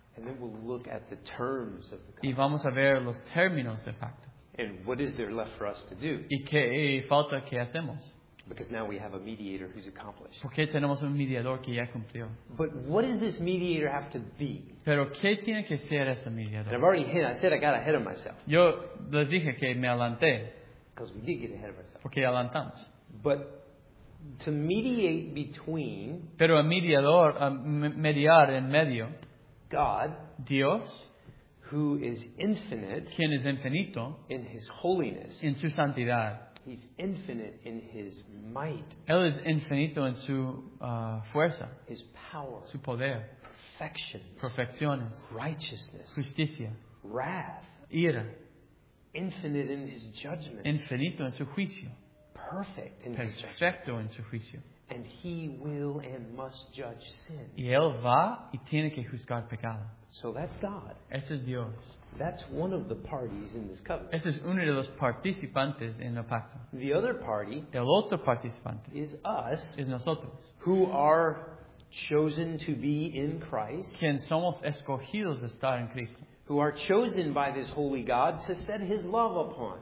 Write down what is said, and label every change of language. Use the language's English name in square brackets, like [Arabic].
[English] And then we'll look at the terms of the covenant. [Spanish] Y vamos a ver los términos del pacto. [English] And what is there left for us to do? [Spanish] Y qué falta que hacemos. [English] Because now we have a mediator who's accomplished. [Spanish] Porque tenemos un mediador que ya cumplió. [English] But what does this mediator have to be? [Spanish] Pero qué tiene que ser ese mediador? [English] And I've already hit. I said I got ahead of myself. [Spanish] Yo les dije que me adelanté. [English] Because we did get ahead of ourselves. [Spanish] Porque adelantamos. [English] But to mediate between. [Spanish] Pero a mediador, a mediar en medio. [English] God. [Spanish] Dios. [English] Who is infinite. [Spanish] Quien es infinito. [English] In His holiness. [Spanish] En su santidad. [English] He's infinite in His might. [Spanish] Él es infinito en su fuerza. [English] His power. [Spanish] Su poder. [English] Perfections. [Spanish] Perfecciones. [English] Righteousness. [Spanish] Justicia. [English] Wrath. [Spanish] Ira. [English] Infinite in His judgment. [Spanish] Infinito en su juicio. [English] Perfect in [Spanish] Perfecto [English] His judgment. [Spanish] Perfecto en su juicio. [English] And He will and must judge sin. [Spanish] Y Él va y tiene que juzgar pecado. [English] So that's God. [Spanish] Ese es Dios. [English] That's one of the parties in this covenant. [Spanish] Ese es uno de los participantes en el pacto. [English] The other party, [Spanish] el otro participante, [English] is us, [Spanish] es nosotros, [English] who are chosen to be in Christ, [Spanish] quien somos escogidos de estar en Cristo, [English] who are chosen by this holy God to set His love upon,